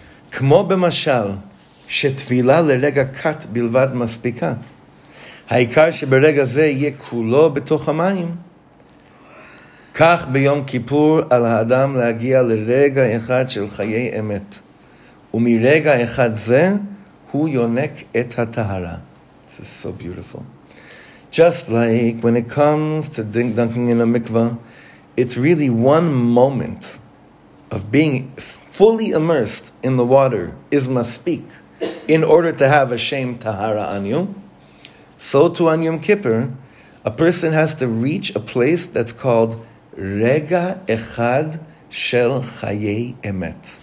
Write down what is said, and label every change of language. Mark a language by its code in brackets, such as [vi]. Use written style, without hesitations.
[he] Kmo b'mashal, shetvila lerega kat bilvad maspika, haikar sheberega ze ye kulo b'toch ha'mayim, כך ביום כיפור על האדם להגיע לרגע אחד של חיי אמת. ומרגע אחד זה, הוא יונק את הטהרה. [en] This is so beautiful. Just like when it comes to dunking in a mikvah, it's really one moment of being fully immersed in the water is maspik in order to have a shame tahara on you. So to on Yom Kippur, a person has to reach a place that's called [he] Rega Echad Shel Chayei Emet.